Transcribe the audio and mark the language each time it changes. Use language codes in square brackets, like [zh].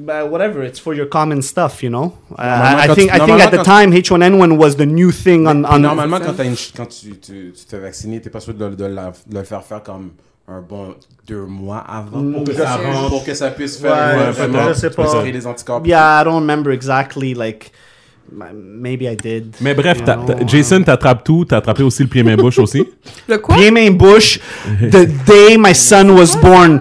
[en] Whatever, it's for your common stuff, you know? I think at the time, H1N1 was the new thing on... [fr] Normalement, quand tu t'es vacciné, t'es pas sûr de le faire comme un bon 2 mois avant, pour que ça puisse faire... Ouais, je sais pas. Les anticorps. [en] Yeah, I don't remember exactly, like... Maybe I did. [fr] Mais bref, Jason, t'attrapes tout. T'as attrapé aussi le pied-main-bouche aussi. Le quoi? [en] Pied-main-bouche, the day my son was born.